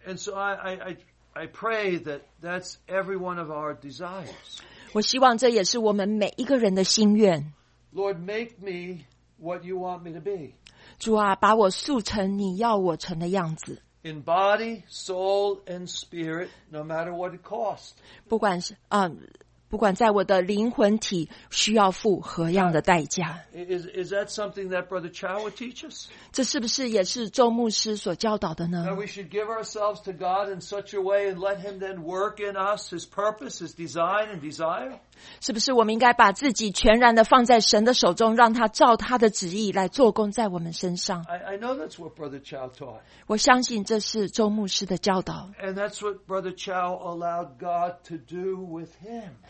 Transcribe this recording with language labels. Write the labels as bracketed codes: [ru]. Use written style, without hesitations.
[en] And so I pray that that's every one of our desires. [zh] 我希望这也是我们每一个人的心愿。 [en] Lord, make me what you want me to be. [zh] 主啊，把我塑成你要我成的样子。 [en] In body, soul, and spirit, no matter what it costs. [zh] 不管在我的灵魂体需要付何样的代价。 [en] Is that something that Brother Chow would teach us? [zh] 这是不是也是周牧师所教导的呢？ [en] That we should give ourselves to God in such a way and let Him then work in us His purpose, His design and desire? [zh] 是不是我们应该把自己全然的放在神的手中，让他照他的旨意来做工在我们身上？ [en] I know that's what Brother Chow taught. [zh] 我相信这是周牧师的教导。 [en] And that's what Brother Chow allowed God to do with him.